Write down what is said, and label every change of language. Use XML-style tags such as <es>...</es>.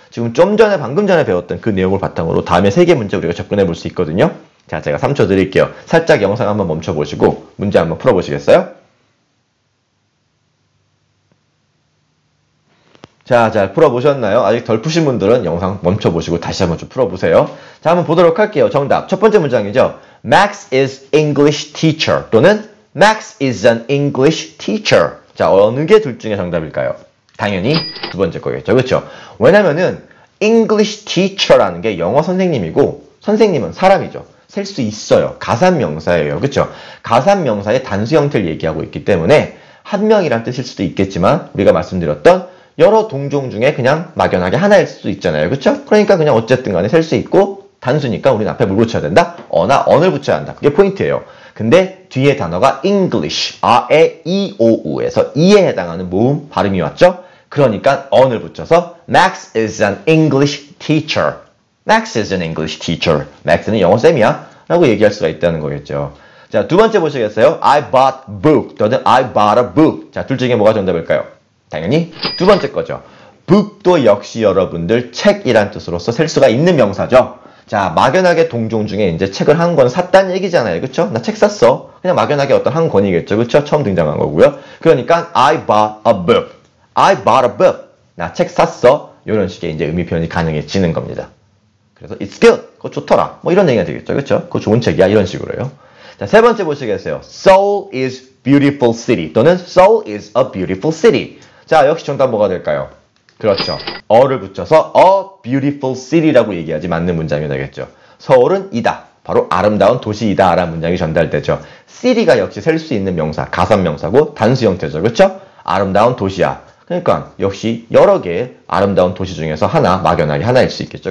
<ko>지금 좀 전에 방금 전에 배웠던 그 내용을 바탕으로 다음에 세 개 문제 우리가 접근해 볼 수 있거든요. 자, 제가 3초 드릴게요. 살짝 영상 한번 멈춰 보시고 문제 한번 풀어 보시겠어요? 자, 잘 풀어 보셨나요? 아직 덜 푸신 분들은 영상 멈춰 보시고 다시 한번 좀 풀어 보세요. 자, 한번 보도록 할게요. 정답. 첫 번째 문장이죠.</ko> <en>Max is English teacher</en> <ko>또는</ko> <en>Max is an English teacher.</en> <ko>자, 어느 게 둘 중에 정답일까요? 당연히 두 번째 거겠죠. 그렇죠? 왜냐면은 English teacher라는 게 영어 선생님이고 선생님은 사람이죠. 셀 수 있어요. 가산 명사예요. 그렇죠? 가산 명사의 단수 형태를 얘기하고 있기 때문에 한 명이란 뜻일 수도 있겠지만 우리가 말씀드렸던 여러 동종 중에 그냥 막연하게 하나일 수도 있잖아요. 그렇죠? 그러니까 그냥 어쨌든 간에 셀 수 있고 단수니까 우리는 앞에 뭘 붙여야 된다? 어나 언을 붙여야 한다. 그게 포인트예요. 근데 뒤에 단어가 English, A, E, I, O, U에서 E에 해당하는 모음 발음이 왔죠? 그러니까 언을 붙여서</ko> <en>Max is an English teacher. Max is an English teacher.</en> <ko>Max는 영어쌤이야? 라고 얘기할 수가 있다는 거겠죠. 자, 두 번째 보시겠어요?</ko> <en>I bought book</en> <ko>또는</ko> <en>I bought a book.</en> <ko>자, 둘 중에 뭐가 정답일까요? 당연히 두 번째 거죠. Book도 역시 여러분들 책이란 뜻으로서 셀 수가 있는 명사죠. 자, 막연하게 동종 중에 이제 책을 한 권 샀다는 얘기잖아요. 그쵸? 나 책 샀어. 그냥 막연하게 어떤 한 권이겠죠. 그쵸? 처음 등장한 거고요. 그러니까</ko> <en>I bought a book. I bought a book.</en> <ko>나 책 샀어. 이런 식의 이제 의미 표현이 가능해지는 겁니다. 그래서</ko> <en>it's good.</en> <ko>그거 좋더라. 뭐 이런 얘기가 되겠죠. 그쵸? 그거 좋은 책이야. 이런 식으로요. 자, 세 번째 보시겠어요.</ko> <en>Seoul is beautiful city.</en> <ko>또는</ko> <en>Seoul is a beautiful city.</en> <ko>자, 역시 정답 뭐가 될까요? 그렇죠. 어를 붙여서</ko> <en>a beautiful city</en> <ko>라고 얘기하지 맞는 문장이 되겠죠. 서울은 이다. 바로 아름다운 도시이다 라는 문장이 전달되죠. city가 역시 셀 수 있는 명사, 가산명사고 단수 형태죠. 그렇죠? 아름다운 도시야. 그러니까 역시 여러 개의 아름다운 도시 중에서 하나, 막연하게 하나일 수 있겠죠.</ko>